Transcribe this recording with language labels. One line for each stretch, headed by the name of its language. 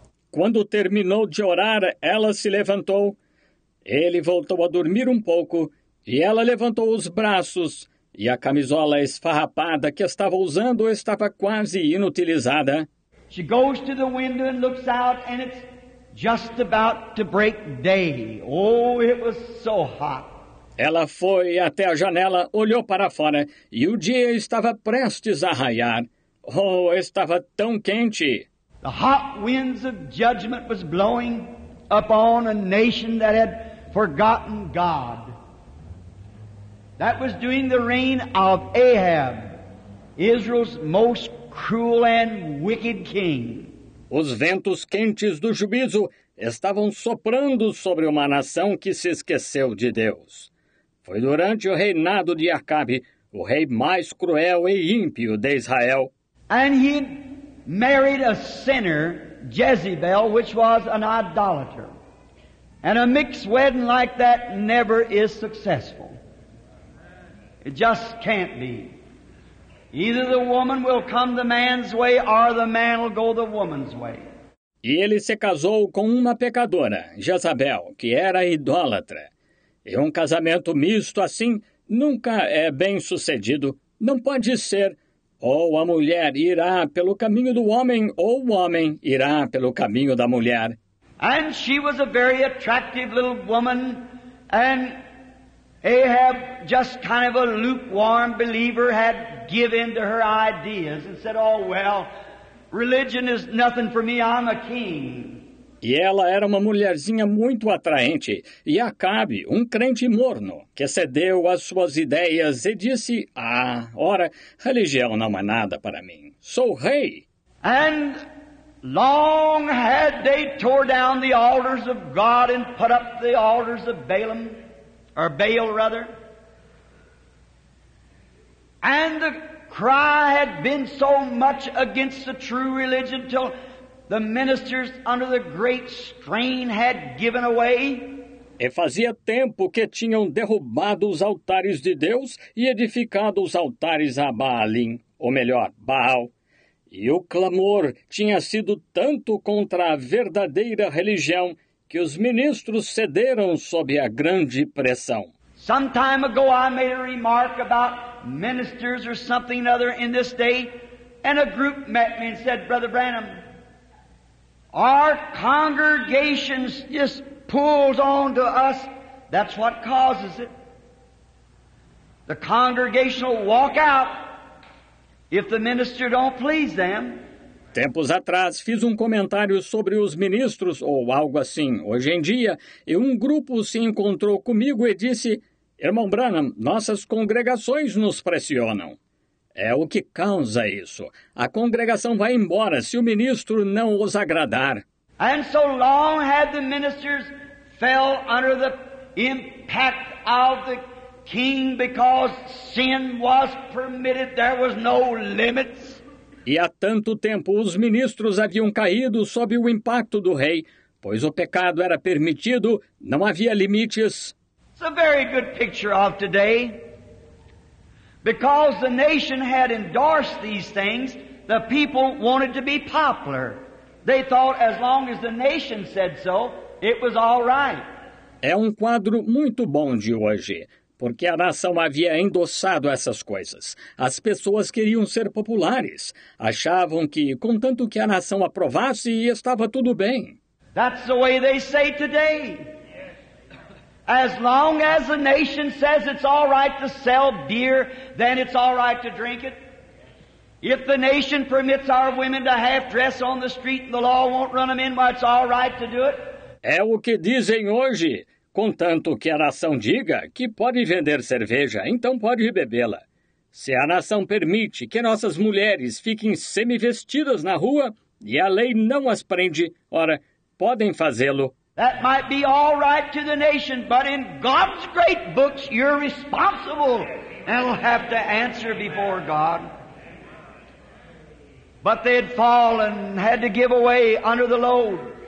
Portuguese: Quando terminou de orar, ela se levantou. Ele voltou a dormir um pouco, e ela levantou os braços, e a camisola esfarrapada que estava usando estava quase inutilizada.
English: She goes to the window and looks out, and it's just about to break day. Oh, it was so hot.
Portuguese: Ela foi até a janela, olhou para fora, e o dia estava prestes a raiar. Oh, estava tão quente.
English: The hot winds of judgment was blowing upon a nation that had forgotten God. That was during the reign of Ahab, Israel's most cruel and wicked king.
Portuguese: Os ventos quentes do juízo estavam soprando sobre uma nação que se esqueceu de Deus. Foi durante o reinado de Acabe, o rei mais cruel e ímpio de Israel.
English: And he married a sinner, Jezebel, which was an idolater. And a mixed wedding like that never is successful. It just can't be. Either the woman will come the man's way, or the man will go the woman's way.
Portuguese: E ele se casou com uma pecadora, Jezabel, que era idólatra. E um casamento misto assim nunca é bem sucedido. Não pode ser. Ou a mulher irá pelo caminho do homem, ou o homem irá pelo caminho da mulher.
English: And she was a very attractive little woman, and Ahab, just kind of a lukewarm believer, had given to her ideas and said, oh, well, religion is nothing for me, I'm a king.
Portuguese: E ela era uma mulherzinha muito atraente, e Acabe, um crente morno, que cedeu às suas ideias e disse, ah, ora, religião não é nada para mim, sou rei.
English: And Long had they tore down the altars of God and put up the altars of Balaam, or Baal rather. And the cry had been so much against the true religion till the ministers under the great strain had given away.
Portuguese: E fazia tempo que tinham derrubado os altares de Deus e edificado os altares a Baalim, ou melhor, Baal. E o clamor tinha sido tanto contra a verdadeira religião que os ministros cederam sob a grande pressão.
English: Some time ago I made a remark about ministers or something other in this day, and a group met me and said, Brother Branham, our congregations just pulls on to us. That's what causes it. The congregation will walk out if the minister don't please them.
Portuguese: Tempos atrás, fiz comentário sobre os ministros, ou algo assim, hoje em dia, e grupo se encontrou comigo e disse, Irmão Branham, nossas congregações nos pressionam. É o que causa isso. A congregação vai embora se o ministro não os agradar.
English: And so long had the ministers fell under the impact of the king because sin was permitted, there was no limits.
Portuguese: E há tanto tempo os ministros haviam caído sob o impacto do rei, pois o pecado era permitido, não havia limites.
English: It's a very good picture of today. Because the nation had endorsed these things, the people wanted to be popular. They thought as long as the nation said so, it was all right.
Portuguese: É quadro muito bom de hoje, porque a nação havia endossado essas coisas. As pessoas queriam ser populares. Achavam que, contanto que a nação aprovasse, estava tudo bem.
English: That's the way they say today. As long as the nation says it's all right to sell beer, then it's all right to drink it. If the nation permits our women to half dress on the street and the law won't run them in, well, it's all right to do it.
Portuguese: É o que dizem hoje, contanto que a nação diga que pode vender cerveja, então pode bebê-la. Se a nação permite que nossas mulheres fiquem semivestidas na rua e a lei não as prende, ora, podem fazê-lo.
English: That might be all right to the nation, but in God's great books, you're responsible and will have to answer before God. But they had fallen, had to give away under the load.